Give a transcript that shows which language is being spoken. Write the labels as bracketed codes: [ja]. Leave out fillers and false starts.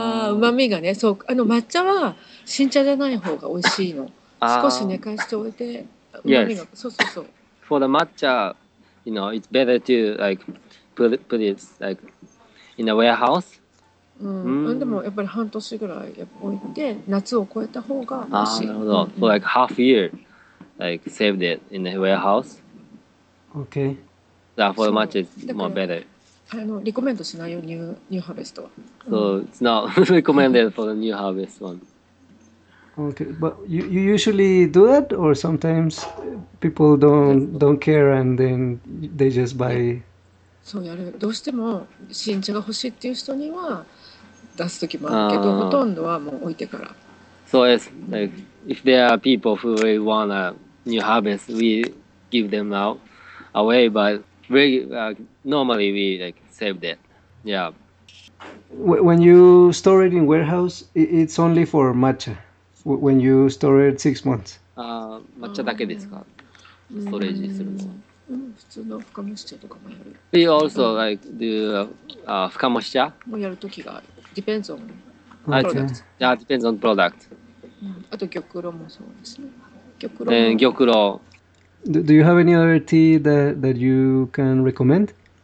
[ja] うまみがね、そう、あの抹茶は新茶じゃない方が美味しいの。少し寝かしておいて、うまみが、そうそうそう。 [en] For the matcha, you know, it's better to like put it like in a warehouse. [ja] うん、でもやっぱり半年ぐらい置いて夏を超えた方が美味しい。あ、なるほど。 [en] For like half year, like saved it in the warehouse. Okay. That for much is more better. [ja] あの、リコメンドしないよ、ニューハーベストは。 [en] So it's not recommended for the new harvest one. Okay, but you usually do that, or sometimes people don't care and then they just buy. [ja] そうやる。どうしても新茶が欲しいっていう人には出すときもあるけど、ほとんどはもう置いてから。 [en] So yes, like if there are people who really want a new harvest, we give them out away, but normally we like save that. Yeah. When you store it in warehouse, it's only for matcha. When you store it 6 months. [ja] 抹茶だけですか。ストレージするのは。うん、普通の深蒸し茶とかもやる。 [en] We also like do 深蒸し茶。 [ja] もやる時がある。 [en] Depends on product. Okay. Yeah, depends on product.、 [ja] うん、あと玉露もそうですね。玉露。玉露。 [en] Do you have any other tea that you can recommend?